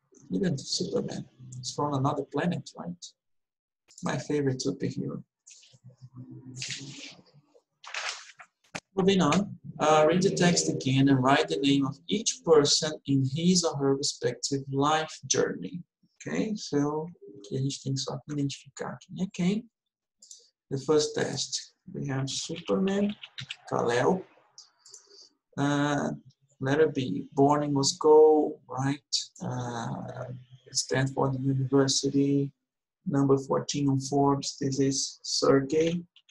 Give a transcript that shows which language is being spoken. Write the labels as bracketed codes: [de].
[en] Even Superman is from another planet, right? My favorite superhero. Moving on, read the text again and write the name of each person in his or her respective life journey. [pt] Ok, so aqui a gente tem só que identificar quem é quem. [en] The first test, we have Superman, Kal-El. Letter B, born in Moscow, right? Stanford University, number 14 on Forbes, this is Sergey.